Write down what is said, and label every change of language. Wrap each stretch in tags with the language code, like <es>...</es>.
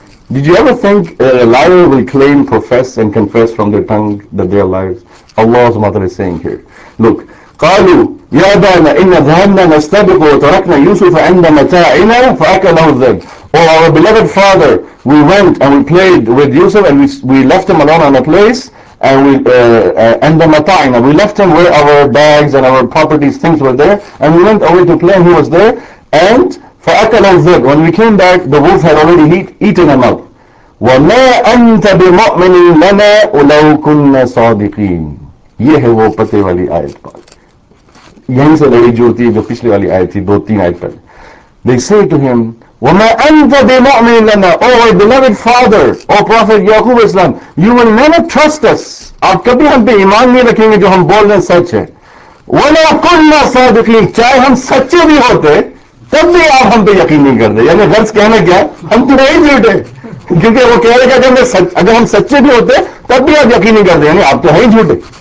<en>Did you ever think a liar will claim, profess and confess from their tongue that they are liars? Allah's mother is saying here, look,</en> <ar>قَالُوا يَا أَبَانَا إِنَّا ذَهَبْنَا نَسْتَبِقُ وَتَرَكْنَا يُوسُفَ عِنْدَ مَتَاعِنَا فَأَكَلَهُ الذِّئْبُ.</ar> <en>Oh, our beloved father, we went and we played with Yusuf and we left him alone on a place and and the mata'ina, we left him where our bags and our properties, things were there, and we went away to play and he was there, and</en> <ar>فَأَكَلَ الذِّئْبُ,</ar> <en>when we came back, the wolf had already eaten him up.</en> <ar>وَمَا أَنْتَ بِمُؤْمِنٍ لَنَا وَلَوْ كُنَّا صَادِقِينَ.</ar> <ur>یہ ہے وہ پتے والی آیت پر, یہیں سے لڑی جو ہوتی ہے جو پچھلی والی آیت تھی, دو تین آیت پر.</ur> <en>They say to him,</en> <ar>وَمَا أَنْتَ بِمُؤْمِنٍ لَنَا,</ar> <en>oh, our beloved father, oh, Prophet Yaqub Islam, you will never trust us.</en> <ur>آپ کبھی ہم پہ ایمان نہیں رکھیں گے جو ہم بول رہے ہیں سچ ہے.</ur> <ar>وَلَا كُنَّا صَادِقِينَ,</ar> <ur>چاہے ہم سچے بھی ہوتے تب بھی آپ ہم پہ یقین نہیں کرتے. یعنی غرض کہنا کیا, ہم تو نہیں جھوٹے, کیونکہ وہ کہہ رہے کہ اگر ہم سچے بھی ہوتے تب بھی آپ یقین نہیں کرتے, یعنی آپ تو ہے ہی جھوٹے.</ur>